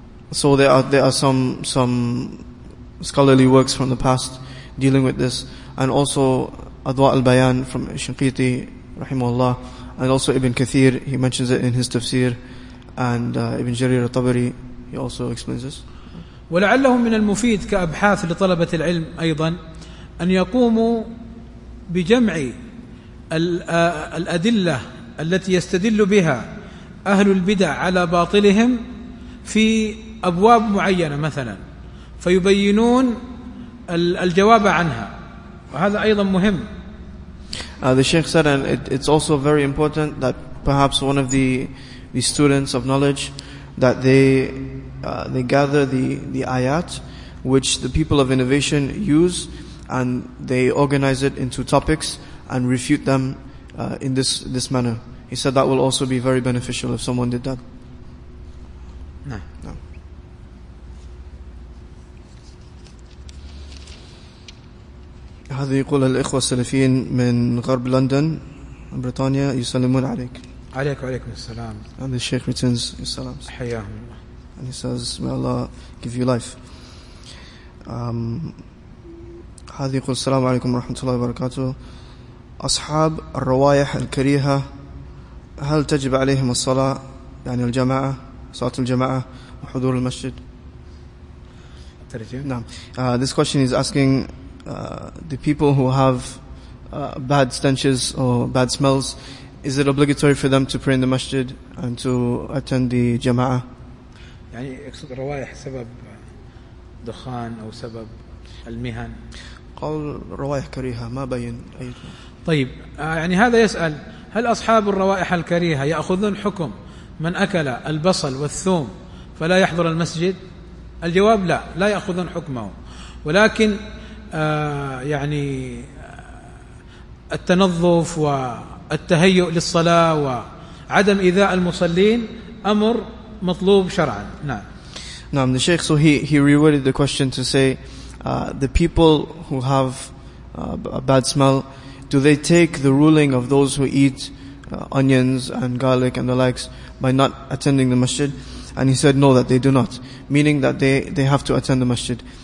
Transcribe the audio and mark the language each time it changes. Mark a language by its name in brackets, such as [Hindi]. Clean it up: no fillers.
[English] So there are some scholarly works from the past dealing with this, and also Adwa al-Bayan from Shinqiti rahimahullah, and also Ibn Kathir, he mentions it in his tafsir, and Ibn Jarir al-Tabari, he also explains this. [Arabic] ولعله من المفيد كأبحاث لطلبة العلم أيضا أن يقوموا بجمع الأدلة التي يستدل بها أهل البدع على باطلهم في أبواب معينة مثلا فيبينون الجواب عنها وهذا أيضا مهم. [English] The Sheikh said, and it's also very important that perhaps one of the students of knowledge that they gather the ayat which the people of innovation use and they organize it into topics and refute them in this manner. He said that will also be very beneficial if someone did that. No. [Arabic] هذا يقول الإخوة السلفيين من غرب لندن بريطانيا يسلمون عليك. عليك وعليكم السلام. [English] And the Sheikh returns his salams. [Arabic] حياهم الله. [English] And he says, may Allah give you life. [Arabic] هذا يقول السلام عليكم ورحمة الله وبركاته. أصحاب الروائح الكريهة هل تجب عليهم الصلاة يعني الجماعة صلاة الجماعة وحضور المسجد؟ ترجم. نعم. [English] This question is asking the people who have bad stenches or bad smells, is it obligatory for them to pray in the masjid and to attend the جماعة؟ [Arabic] يعني يقصد روائح سبب دخان أو سبب المهن. قال روائح كريهة ما بين أي. طيب يعني هذا يسأل هل أصحاب الروائح الكريهة يأخذون حكم من أكل البصل والثوم فلا يحضر المسجد؟ الجواب لا, لا يأخذون حكمه, ولكن يعني التنظف والتهيؤ للصلاة وعدم إيذاء المصلين أمر مطلوب شرعا. نعم. نعم. [English] The Sheikh, so he reworded the question to say the people who have a bad smell, do they take the ruling of those who eat onions and garlic and the likes by not attending the masjid? And he said no, that they do not, meaning that they have to attend the masjid.